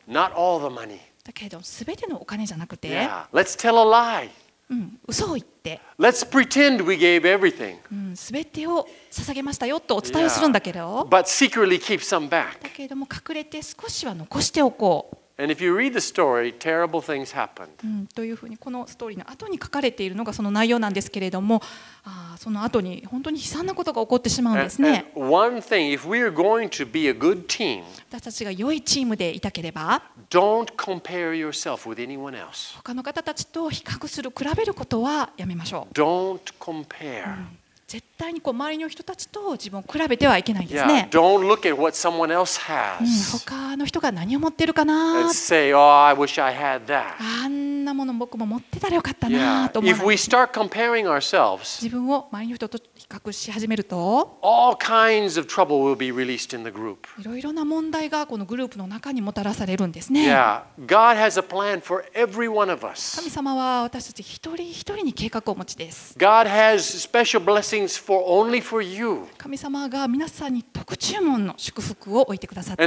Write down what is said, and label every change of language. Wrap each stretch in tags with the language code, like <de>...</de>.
<en>not all the money.</en> <ja>だけど、すべてのお金じゃなくて、</ja> <en>yeah. Let's tell a lie.</en> <ja>うん、嘘を言って。</ja> <en>Let's pretend we gave everything.</en> <ja>うん、すべてを捧げましたよとお伝えをするんだけど、yeah.</ja> <en>But secretly keep some back.</en> <ja>だけども隠れて少しは残しておこう。</ja> <en>And if you read the story, terrible things happened.</en> <ja>うん、というふうにこのストーリーの後に書かれているのがその内容なんですけれども、あ、その後に本当に悲惨なことが起こってしまうんですね。</ja> <en>One thing, if we are going to be a good team,</en> <ja>私たちが良いチームでいたければ、</ja> <en>don't compare yourself with anyone else.</en> <ja>他の方たちと比較する、比べることはやめましょう。</ja> <en>Don't compare.、う</en> <ja>ん、絶対にこう周りの人たちと自分を比べてはいけないんですね。</ja> <en>Yeah, don't look at what someone else has.</en> <ja>うん、他の人が何を持ってるかな。</ja> <en>Say, oh, I wish I had that.</en> <ja>あんなもの僕も持ってたらよかったなと思う。</ja> <en>Yeah. If we start comparing ourselves,</en> <ja>自分を周りの人と比較し始めると、</ja> <en>all kinds of trouble will be released in the group.</en> <ja>いろいろな問題がこのグループの中にもたらされるんですね。</ja> <en>Yeah. God has a plan for every one of us.</en> <ja>神様は私たち一人一人に計画をお持ちです。</ja> <en>God has special blessings.</en> <ja>神様が皆さんに特注文の祝福を置いてくださ</ja>